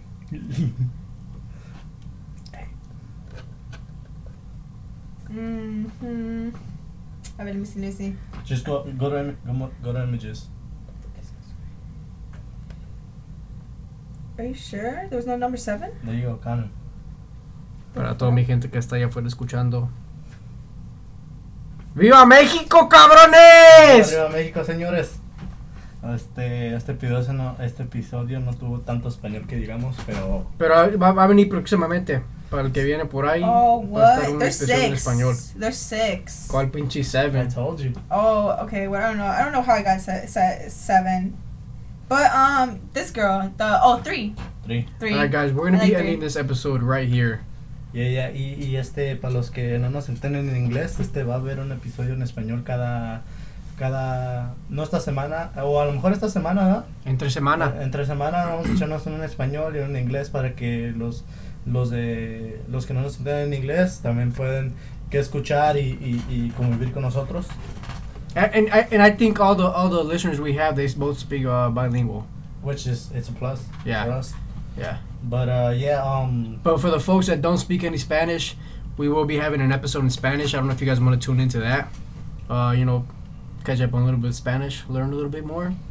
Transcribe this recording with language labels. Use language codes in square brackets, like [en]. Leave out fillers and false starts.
[en] Mm-hmm. I've been missing Lucy. Just go to images. Are you sure? There was no number seven? There you go, Connor. [es] Para toda mi gente que está allá afuera escuchando. ¡Viva México, cabrones! ¡Viva México, señores! Este episodio no tuvo tanto español que digamos, pero... Pero va a venir próximamente. Para el que viene por ahí. [en] Oh, what? There's six. [es] En español. [en] There's six. [es] ¿Cuál pinche seven? [en] I told you. Oh, okay. Well, I don't know how I got seven. But, this girl. Three. Alright, guys. We're gonna ending this episode right here. Yeah, yeah. [es] Y este, para los que no nos entienden en inglés, este va a haber un episodio en español cada no esta semana, o a lo mejor esta semana, ¿no? Entre semana vamos a echarnos uno en español y uno en inglés para que los que no nos entienden en inglés también pueden que escuchar y convivir con nosotros. [en] And I think all the listeners we have, they both speak bilingual, which is, it's a plus. Yeah, for us. Yeah. But but for the folks that don't speak any Spanish, we will be having an episode in Spanish. I don't know if you guys want to tune into that. You know, catch up on a little bit of Spanish, learn a little bit more.